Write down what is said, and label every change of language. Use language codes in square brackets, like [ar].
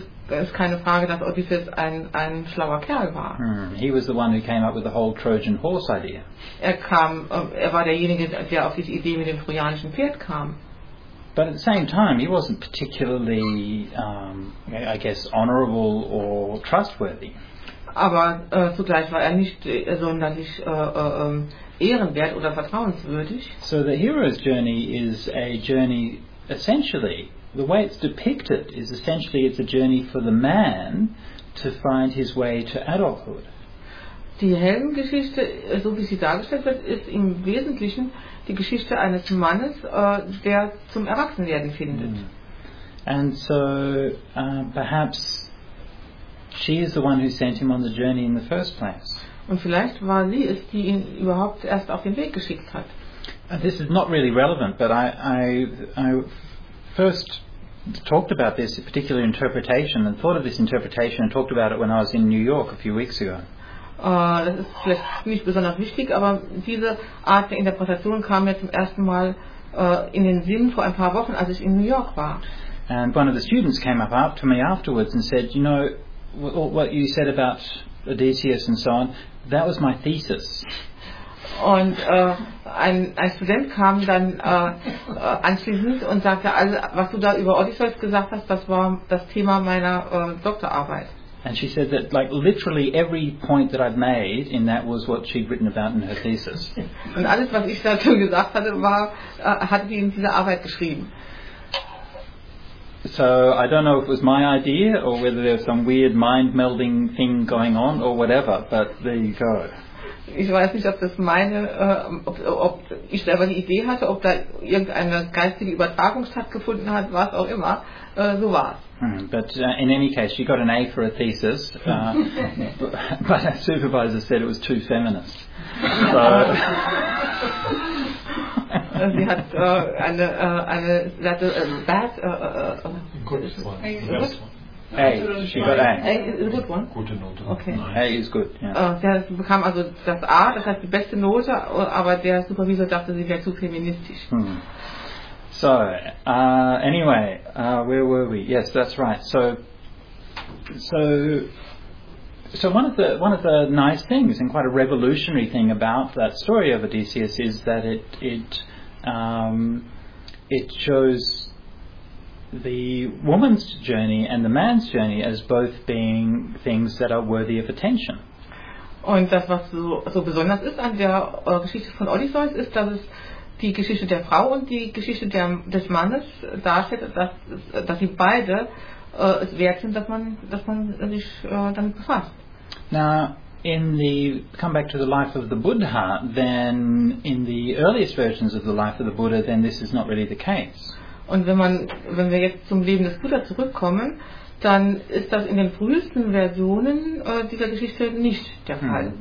[de] Es ist keine Frage, dass Odysseus ein schlauer Kerl war. [en] He was the one who came up with the whole Trojan horse idea. [de] Er war derjenige, der auf diese Idee mit dem trojanischen Pferd kam. [en] But at the same time, he wasn't particularly, I guess, honorable or trustworthy. [de] Aber zugleich war er nicht sonderlich ehrenwert oder vertrauenswürdig. [en] So the hero's journey is a journey essentially, the way it's depicted is essentially it's a journey for the man to find his way to adulthood. [de] Die Heldengeschichte, so wie sie dargestellt wird, ist im Wesentlichen die Geschichte eines Mannes, der zum Erwachsenwerden findet. [en] And so perhaps she is the one who sent him on the journey in the first place. [de] Und vielleicht war sie es, die ihn überhaupt erst auf den Weg geschickt hat. [en] This is not really relevant, but I first talked about this particular interpretation and thought of this interpretation and talked about it when I was in New York a few weeks ago. [de] Das ist vielleicht nicht besonders wichtig, aber diese Art der Interpretation kam mir zum ersten Mal in den Sinn vor ein paar Wochen, als ich in New York war. [en] And one of the students came up to me afterwards and said, you know, what you said about Odysseus and so on, that was my thesis. [de] Und ein Student kam dann anschließend und sagte, also was du da über Odysseus gesagt hast, das war das Thema meiner Doktorarbeit. [en] And she said that like literally every point that I'd made in that was what she'd written about in her thesis. [de] Und alles, was ich dazu gesagt hatte, war hat sie in dieser Arbeit geschrieben. [en] So I don't know if it was my idea or whether there's some weird mind-melding thing going on or whatever, but there you go. [de] Ich weiß nicht, ob das meine, ob ich selber die Idee hatte, ob da irgendeine geistige Übertragung stattgefunden hat, was auch immer, so war es. [en] But in any case, she got an A for a thesis, but her supervisor said it was too feminist. So. [de] Sie hat eine [en] Good one. A. She got A. A is a good one. [de] Gute Note. [en] Okay. Nice. A is good. Yeah. [de] Sie bekam also das A, das heißt die beste Note, aber der Supervisor dachte, sie wäre zu feministisch. [en] Hmm. So, anyway, where were we? Yes, that's right. So one of the nice things and quite a revolutionary thing about that story of Odysseus is that it shows the woman's journey and the man's journey as both being things that are worthy of attention. [de] Und das, was so besonders ist an der Geschichte von Odysseus, ist, dass es die Geschichte der Frau und die Geschichte des Mannes darstellt, dass sie beide es wert sind, dass man sich damit befasst. [en] Now, come back to the life of the Buddha, then in the earliest versions of the life of the Buddha, then this is not really the case. [de] Und wenn wir jetzt zum Leben des Buddha zurückkommen, dann ist das in den frühesten Versionen dieser Geschichte nicht der Fall.